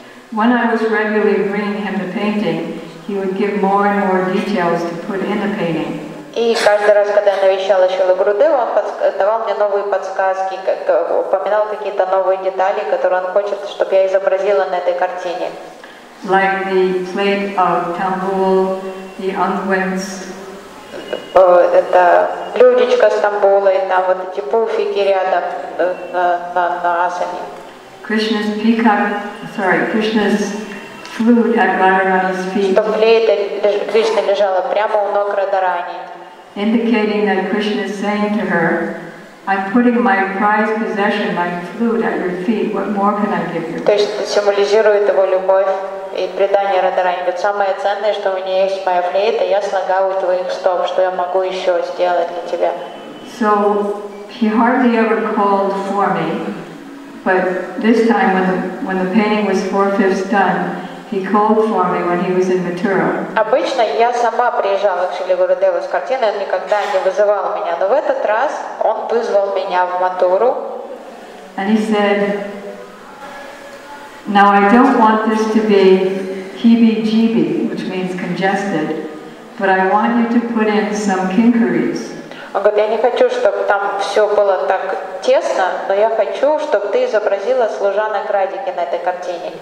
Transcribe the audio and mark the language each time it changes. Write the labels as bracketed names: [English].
[English] When I was regularly bringing him the painting, he would give more and more details to put in the painting. [Russian] И каждый раз, когда я навещала Шрилу Гурудеву, он давал мне новые подсказки, упоминал какие-то новые детали, которые он хочет, чтобы я изобразила на этой картине. [English] Like the plate of Tambul, the ungulates. [Russian] Это блюдечко с Тамбулой, там вот эти пуфики рядом на асане. [English] Krishna's peacock, sorry, Krishna's flute at Radharani's feet. [Russian] Что плейта Кришны лежала прямо у ног Радарани. [English] Indicating that Krishna is saying to her, I'm putting my prized possession, my flute, at your feet. What more can I give you? [Russian] То есть символизирует его любовь. И предание Радарани говорит, самое ценное, что у меня есть моя флейта, я слагаю у твоих стоп, что я могу еще сделать для тебя. [English] So he hardly ever called for me, but this time when the painting was 4/5 done, he called for me when he was in Mathura. [Russian] Обычно я сама приезжала к Шриле Гурудеве с картиной, он никогда не вызывал меня, но в этот раз он вызвал меня в Матуру. [English] And he said, now I don't want this to be heebie-jeebie, which means congested, but I want you to put in some kinkeries. [Russian] Он говорит, я не хочу, чтобы там все было так тесно, но я хочу, чтобы ты изобразила служанок Радики на этой картине.